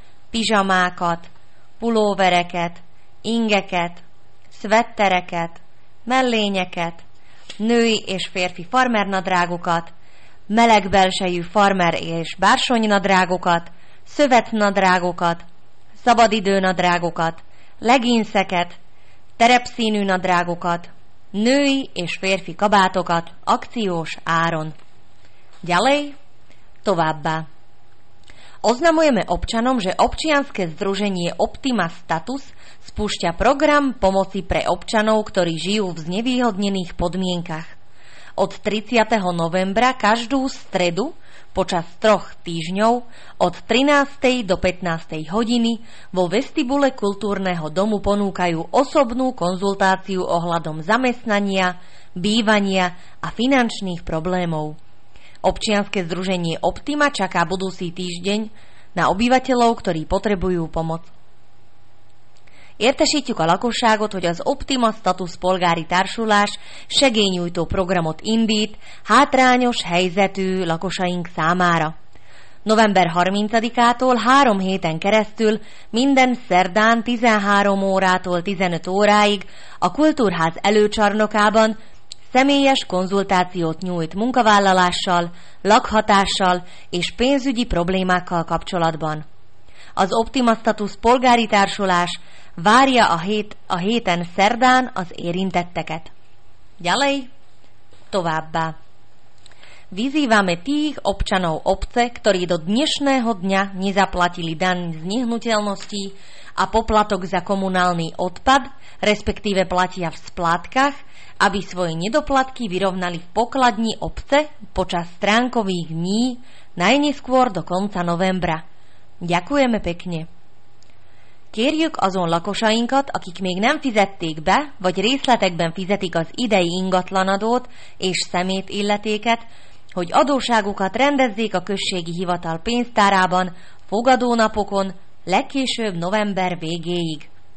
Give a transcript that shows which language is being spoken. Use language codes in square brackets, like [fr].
[hu] pizsamákat, pulóvereket, ingeket, szvettereket, mellényeket, női és férfi farmernadrágokat, meleg belsejű farmer és bársonynadrágokat, szövetnadrágokat, szabadidőnadrágokat, leginszeket, terepszínű nadrágokat, női és férfi kabátokat akciós áron. [sk] Ďalej, [hu] továbbá. [sk] Oznamujeme občanom, že občianske združenie Optima Status spúšťa program pomoci pre občanov, ktorí žijú v znevýhodnených podmienkach. Od 30. novembra každú stredu počas 3 týždňov od 13. do 15. hodiny vo vestibule kultúrneho domu ponúkajú osobnú konzultáciu ohľadom zamestnania, bývania a finančných problémov. Občianske združenie Optima čaká budúci týždeň na obyvateľov, ktorí potrebujú pomoc. [hu] Értesítjük a lakosságot, hogy az Optima Status polgári társulás segélynyújtó programot indít hátrányos helyzetű lakosaink számára. November 30-ától 3 héten keresztül minden szerdán 13 órától 15 óráig a kultúrház előcsarnokában személyes konzultációt nyújt munkavállalással, lakhatással és pénzügyi problémákkal kapcsolatban. Az Optima Status polgári társulás várja a héten szerdán az érintetteket. [sk] Ďalej, [hu] továbbá. [sk] Vyzývame tých občanov obce, ktorí do dnešného dňa nezaplatili daň z nehnuteľností a poplatok za komunálny odpad, respektíve platia v splátkach, aby svoje nedoplatky vyrovnali v pokladni obce počas stránkových dní najneskôr do konca novembra. Ďakujeme pekne. [hu] Kérjük azon lakosainkat, akik még nem fizették be, vagy részletekben fizetik az idei ingatlanadót és szemét illetéket, hogy adósságukat rendezzék a községi hivatal pénztárában fogadónapokon legkésőbb november végéig.